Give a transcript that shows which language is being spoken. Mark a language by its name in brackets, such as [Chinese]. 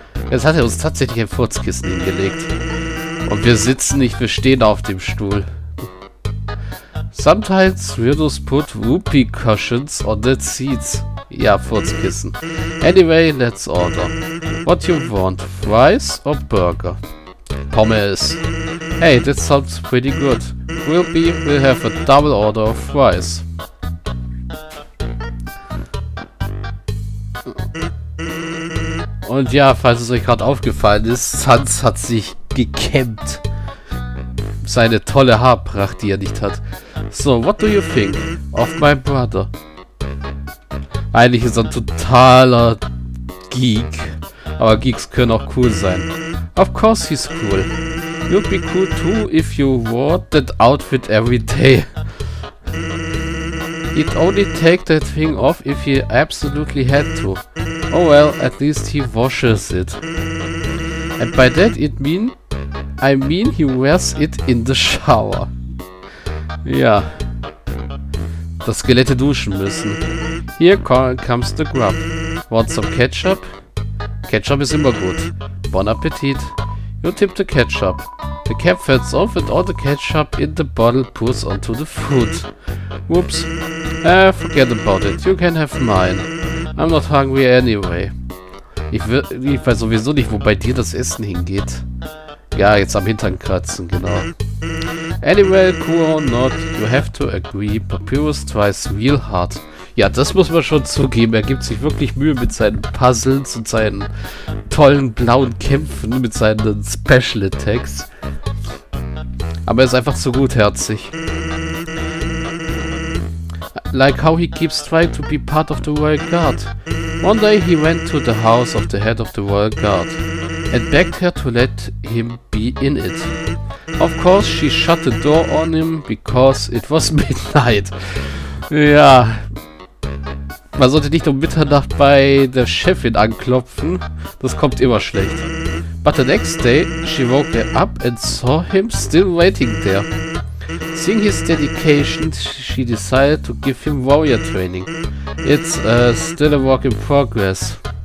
[German] Jetzt hat er uns tatsächlich ein Furzkissen hingelegt. Und wir sitzen nicht, wir stehen auf dem Stuhl. [English] Sometimes weirdos put whoopee cushions on the seats. Ja, Furzkissen. Anyway, let's order. What you want, fries or burger? Pommes. Hey, that sounds pretty good. We'll have a double order of fries. [German] Und ja, falls es euch gerade aufgefallen ist, Sans hat sich gekämmt. Seine tolle Haarpracht, die er nicht hat. [English] So, what do you think of my brother? [German] Eigentlich ist er ein totaler Geek. Aber Geeks können auch cool sein. [English] Of course he's cool. You'd be cool too if you wore that outfit every day. He'd only take that thing off if he absolutely had to. Oh well, at least he washes it. And by that I mean he wears it in the shower. [German] Ja. Das Skelette duschen müssen. [English] Here comes the grub. Want some ketchup? [German] Ketchup ist immer gut. [English] Bon Appetit. You tip the ketchup. The cap falls off and all the ketchup in the bottle pours onto the food. Whoops. Forget about it. You can have mine. I'm not hungry anyway. [German] Ich weiß sowieso nicht, wo bei dir das Essen hingeht. Ja, jetzt am Hintern kratzen, genau. [English] Anyway, cool or not, you have to agree. Papyrus tries real hard. [German] Ja, das muss man schon zugeben. Er gibt sich wirklich Mühe mit seinen Puzzles und seinen tollen blauen Kämpfen mit seinen Special Attacks. Aber er ist einfach so gutherzig. [English] Like how he keeps trying to be part of the Royal Guard. One day he went to the house of the head of the Royal Guard and begged her to let him be in it. Of course she shut the door on him because it was midnight. [German] Ja. Man sollte nicht um Mitternacht bei der Chefin anklopfen. Das kommt immer schlecht. [English] But the next day, she woke her up and saw him still waiting there. Seeing his dedication, she decided to give him warrior training. It's still a work in progress.